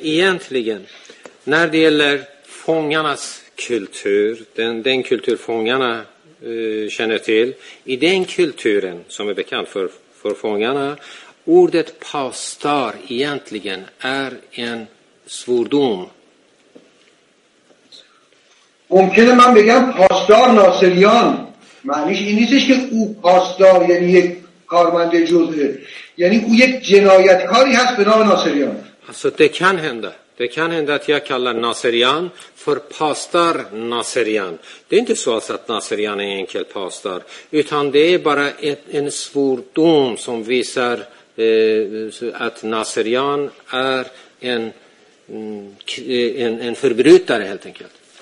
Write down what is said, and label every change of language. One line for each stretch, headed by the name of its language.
Swedish: egentligen när det gäller fångarnas kultur, den kultur fångarna känner till, i den kulturen som är bekant för fångarna, ordet pastor egentligen är en svordom.
Persian: ممکن من بگم پاسدار ناصریان معنیش این نیستش که او پاسدار یعنی یک کارمند جزء، یعنی او یک جنایتکاری هست به نام ناصریان.
Swedish: Alltså det kan hända att jag kallar Nasrian för pastor Nasrian. Det är inte så att Nasrian är enkel pastor, utan det är bara en svordom som visar att Nasrian är en förbrytare helt enkelt.